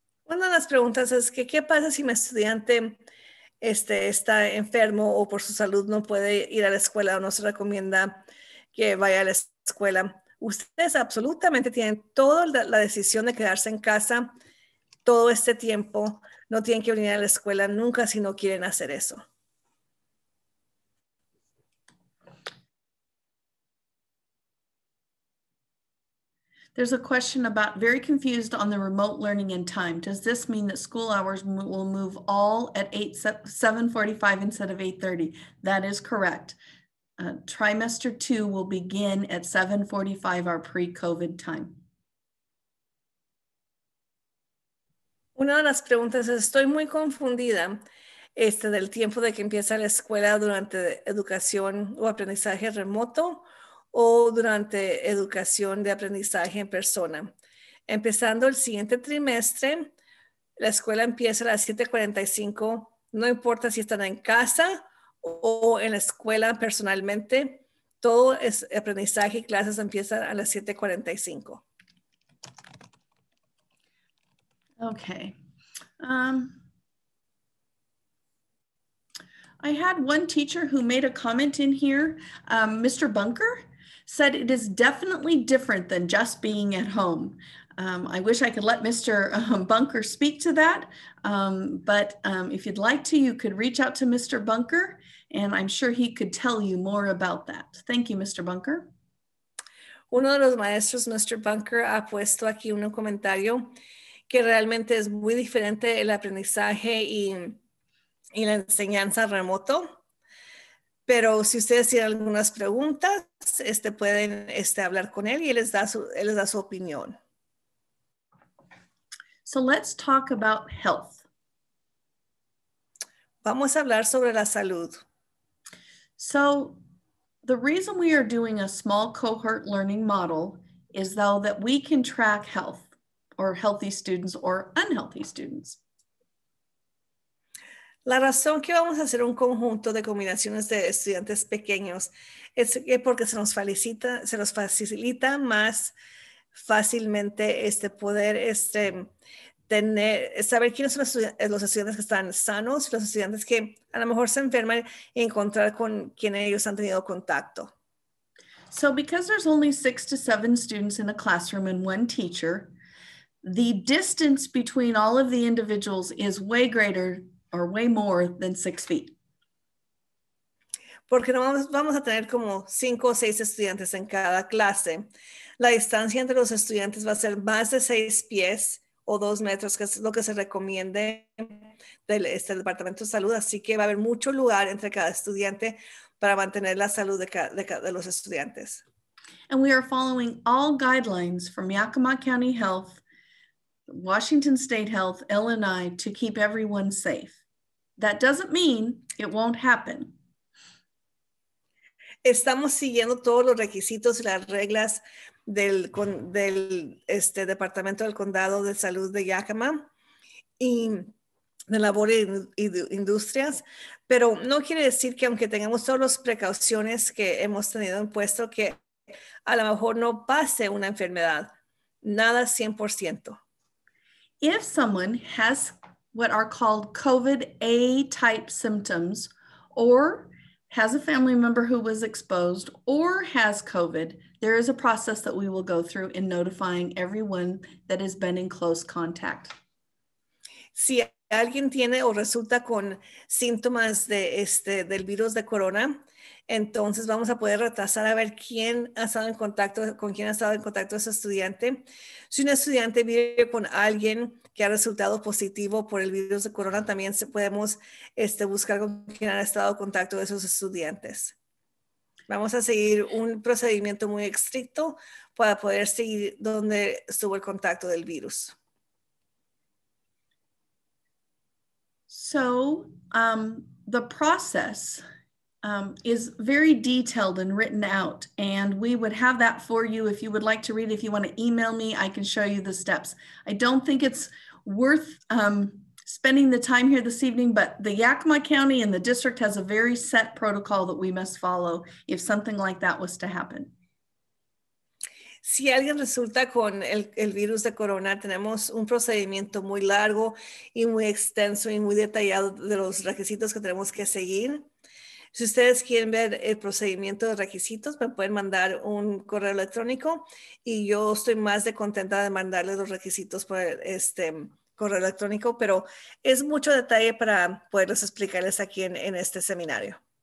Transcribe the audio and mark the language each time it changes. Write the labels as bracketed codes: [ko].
[es] Una de las preguntas es que, ¿qué pasa si mi estudiante está enfermo o por su salud no puede ir a la escuela o no se recomienda que vaya a la escuela? Ustedes absolutamente tienen toda la decisión de quedarse en casa todo este tiempo. No tienen que venir a la escuela nunca si no quieren hacer eso. [en] There's a question about, very confused on the remote learning and time. Does this mean that school hours will move all at 7:45 instead of 8:30? That is correct. Trimester 2 will begin at 7:45, our pre-COVID time. [es] Una de las preguntas es, estoy muy confundida del tiempo de que empieza la escuela durante educación o aprendizaje remoto o durante educación de aprendizaje en persona. Empezando el siguiente trimestre, la escuela empieza a las 7:45, no importa si están en casa o en la escuela personalmente, todo es aprendizaje y clases empiezan a las 7:45. [en] Okay. I had one teacher who made a comment in here. Mr. Bunker said it is definitely different than just being at home. I wish I could let Mr. Bunker speak to that, but if you'd like to, you could reach out to Mr. Bunker, and I'm sure he could tell you more about that. Thank you, Mr. Bunker. [es] Uno de los maestros, Mr. Bunker, ha puesto aquí un comentario que realmente es muy diferente el aprendizaje y la enseñanza remoto. Pero si ustedes tienen algunas preguntas, pueden hablar con él y él les da su opinión. [en] So let's talk about health. [es] Vamos a hablar sobre la salud. [en] So the reason we are doing a small cohort learning model is though that we can track health or healthy students or unhealthy students. [es] La razón que vamos a hacer un conjunto de combinaciones de estudiantes pequeños es porque se nos facilita más fácilmente poder tener, saber quiénes son los estudiantes que están sanos, los estudiantes que a lo mejor se enferman y encontrar con quién ellos han tenido contacto. [en] So because there's only 6 to 7 students in a classroom and one teacher, the distance between all of the individuals is way greater or way more than 6 feet. [es] Porque vamos a tener como 5 o 6 estudiantes en cada clase. La distancia entre los estudiantes va a ser más de 6 pies o 2 metros, que es lo que se recomiende del Departamento de Salud. Así que va a haber mucho lugar entre cada estudiante para mantener la salud de los estudiantes. [en] And we are following all guidelines from Yakima County Health, Washington State Health, LNI, to keep everyone safe. That doesn't mean it won't happen. [es] Estamos siguiendo todos los requisitos y las reglas del Departamento del Condado de Salud de Yakima y de labor y de industrias, pero no quiere decir que aunque tengamos todas las precauciones que hemos tenido en puesto, que a lo mejor no pase una enfermedad. Nada 100%. [en] If someone has what are called COVID A-type symptoms, or has a family member who was exposed, or has COVID, there is a process that we will go through in notifying everyone that has been in close contact. [es] Si alguien tiene o resulta con síntomas de del virus de corona, entonces vamos a poder retrasar a ver quién ha estado en contacto, con quién ha estado en contacto ese estudiante. Si un estudiante vive con alguien que ha resultado positivo por el virus de corona, también podemos buscar con quién ha estado en contacto esos estudiantes. Vamos a seguir un procedimiento muy estricto para poder seguir dónde estuvo el contacto del virus. [en] So the process is very detailed and written out, and we would have that for you if you would like to read. If you want to email me, I can show you the steps. I don't think it's worth spending the time here this evening, but the Yakima County and the district has a very set protocol that we must follow if something like that was to happen. [es] Si alguien resulta con el virus de corona, tenemos un procedimiento muy largo y muy extenso y muy detallado de los requisitos que tenemos que seguir. Si ustedes quieren ver el procedimiento de requisitos, me pueden mandar un correo electrónico y yo estoy más de contenta de mandarles los requisitos por este correo electrónico, pero es mucho detalle para poderles explicarles aquí en este seminario.